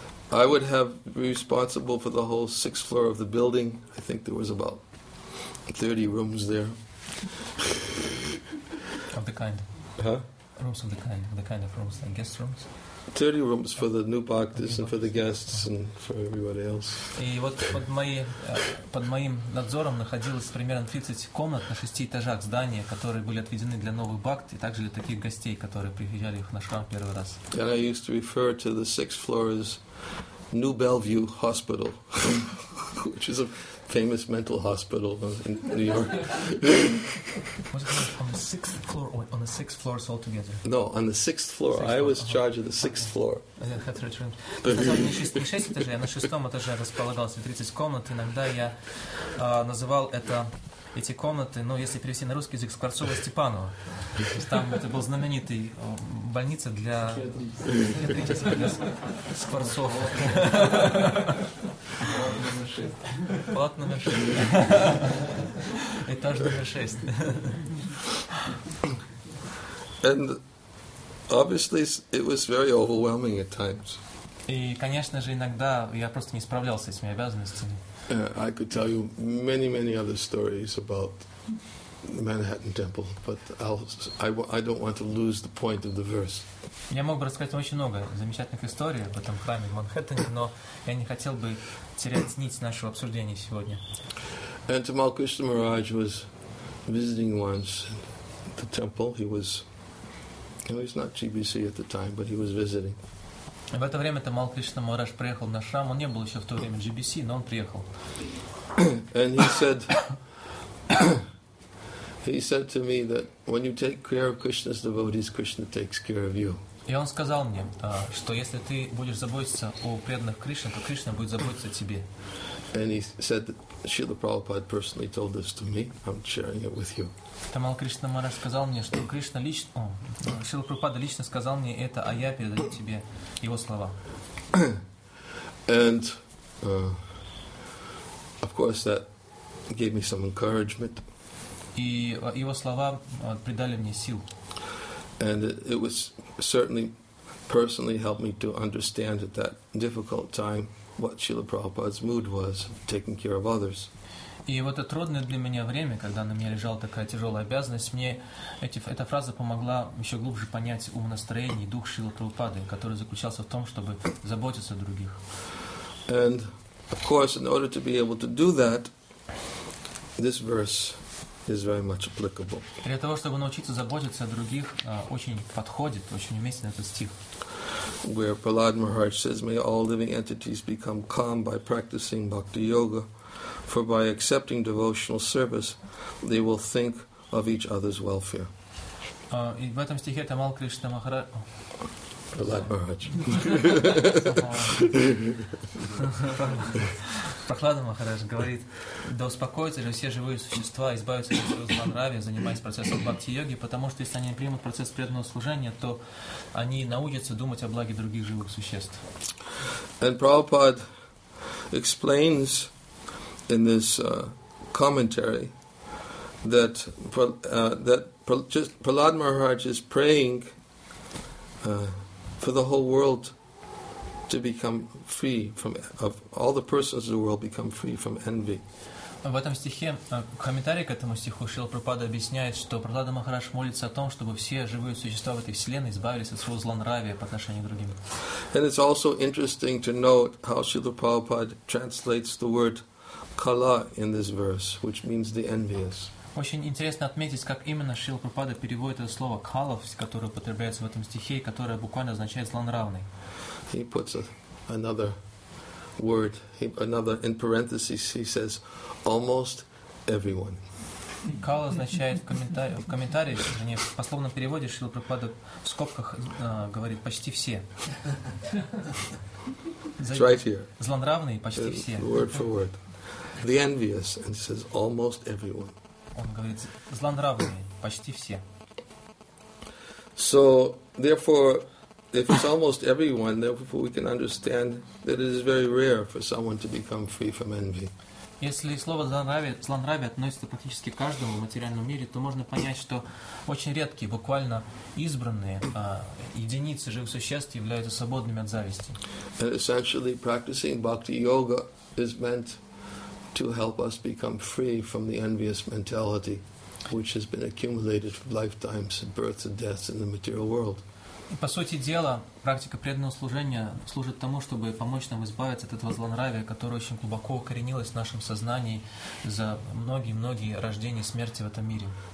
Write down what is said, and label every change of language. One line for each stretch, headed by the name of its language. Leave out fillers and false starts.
English: I would have responsible for the whole sixth floor of the building. I think there was about 30 rooms there. Of the kind. Huh? rooms of the kind of rooms, and guest rooms. 30 rooms for the new bhaktis and for the guests and for everybody else.
Russian: И вот под моей под моим надзором находилось примерно 30 комнат на шести этажах здания, которые были отведены для новых бхакт и также для таких гостей, которые приезжали в наш храм первый раз.
English: And I used to refer to the sixth floor as New Bellevue Hospital, which is a famous mental hospital in New York. Was it on the sixth floor or on the six floors altogether? No, on the sixth floor. Sixth floor. I was charged of the sixth floor. I had 30 rooms.
Russian: Не шесть этажей, а на шестом этаже располагался 30 комнат. Иногда я называл это эти комнаты, ну, если перевести на русский язык, Скворцова-Степанова. Там это был знаменитый больница для Скворцова. Палат номер 6. Этаж номер 6.
English: And obviously it was very overwhelming at times.
Russian: И, конечно же, иногда я просто не справлялся с этими обязанностями.
English: I could tell you many, many other stories about the Manhattan Temple, but I don't want to lose the point of the verse.
Russian: Я мог бы рассказать вам очень много замечательных историй об этом храме в Манхэттене, но я не хотел бы терять нить нашего обсуждения сегодня.
English: And Tamal Krishna Maharaj was visiting once the temple. He was, you know, he's not GBC at the time, but he was visiting.
Russian: В это время Тамал Кришна Мараш приехал на храм. Он не был еще в то время GBC, но он приехал.
English: And he said, he said to me that when you take care of Krishna's devotees, Krishna takes care of you.
Russian: И он сказал мне, что если ты будешь заботиться о преданных Кришне, то Кришна будет заботиться о тебе.
English: And he said that Srila Prabhupada personally told this to me. I'm sharing it with you.
Russian: Тамал Кришна Мараш сказал мне, что Кришна лично, Шрила Прабхупада лично сказал мне это, а я передаю тебе его слова.
English: And of course that gave me some encouragement.
Russian: И его слова придали мне сил.
English: And it was certainly personally helped me to understand at that difficult time what Srila Prabhupada's mood was, taking care of others.
Russian: И вот это трудное для меня время, когда на меня лежала такая тяжелая обязанность, мне эта фраза помогла еще глубже понять ум настроения и дух Шрилы Прабхупады, который заключался в том, чтобы заботиться о других.
English: And, of course, in order to be able to do that, this verse is very much applicable.
Russian: Для того, чтобы научиться заботиться о других, очень подходит, очень уместен этот стих.
English: Where Prahlad Maharaj says, may all living entities become calm by practicing bhakti yoga. For by accepting devotional service, they will think of each other's welfare.
Russian: И в этом стихе Тамал Кришна Махарадж... Прахлад Махарадж. Прахлад Махарадж говорит, да успокоятся же все живые существа, избавятся от своего злонравия, занимаясь процессом бхакти-йоги, потому что если они примут процесс преданного служения, то они научатся думать о благе других живых существ.
English: And Prabhupada explains in this commentary that that just Prahlad Maharaj is praying for the whole world to become free from of all the persons of the world become free from envy.
Russian: В этом стихе, в комментарии к этому стиху Шрила Прабхупада объясняет, что Прахлада Махарадж молится о том, чтобы все живые существа в этой вселенной избавились от своего злонравия по отношению к другим.
English: And it's also interesting to note how Srila Prabhupada translates the word Kala in this verse, which means the envious.
Russian: Очень интересно отметить, как именно Шрила Прабхупада переводит это слово Kala, которое употребляется в этом стихе, и которое буквально означает злонравный.
English: He puts another word, another in parentheses, he says, almost everyone.
Russian: Kala означает в комментарии, вернее, в пословном переводе Шрила Прабхупада в скобках говорит почти все.
English: It's right here.
Russian: Злонравные почти все.
English: Word for word. The envious, and he says, almost everyone.
Russian: Он говорит, злонравные, почти все.
English: So, therefore, if it's almost everyone, therefore we can understand that it is very rare for someone to become free from envy.
Russian: Если слово злонравие относится практически к каждому в материальном мире, то можно понять, что очень редкие, буквально избранные единицы живых существ являются свободными от зависти.
English: And essentially, practicing bhakti yoga is meant to help us become free from the envious mentality. which has been accumulated from lifetimes and births and deaths in the material world.
Russian: И по сути дела, практика преданного служения служит тому, чтобы помочь нам избавиться от этого злонравия, которое очень глубоко укоренилось в нашем сознании за многие-многие рождения и смерти в этом мире.